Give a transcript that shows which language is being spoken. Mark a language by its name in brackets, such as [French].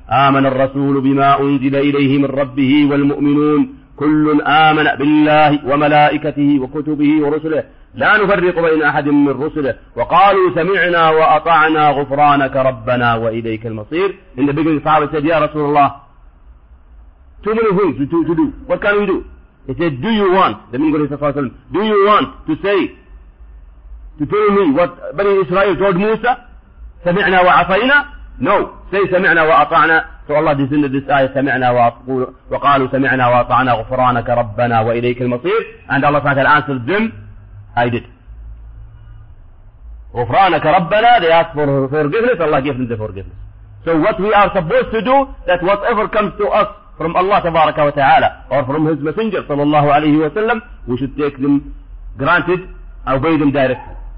[Arabic] آمن الرسول بما أنزل إليه من ربه والمؤمنون كل آمن بالله وملائكته وكتبه ورسله لا نفرق بين أحد من رسله وقالوا سمعنا وأطعنا غفرانك ربنا وإليك المصير. [English] In the beginning, the Prophet said, [Arabic] يا رسول الله, [English] too many things to do. What can we do? He said, do you want, the meaning of the Prophet, do you want to say, to tell me what Bani Israel told Musa? [Arabic] سمعنا وعصينا. [English] No, say [Arabic] سمعنا وأطعنا. [English] So Allah descended this ayah, [Arabic] سمعنا وقالوا سمعنا وأطعنا غفرانك ربنا وإليك المصير. [English] And Allah said, answered them, I did. [Arabic] غفرانك ربنا, [English] they asked for forgiveness, Allah gave them the forgiveness. So what we are supposed to do, that whatever comes to us from Allah [Arabic] تبارك وتعالى [English] or from His Messenger [Arabic] صلى الله عليه وسلم, [English] we should take them granted, obey them directly.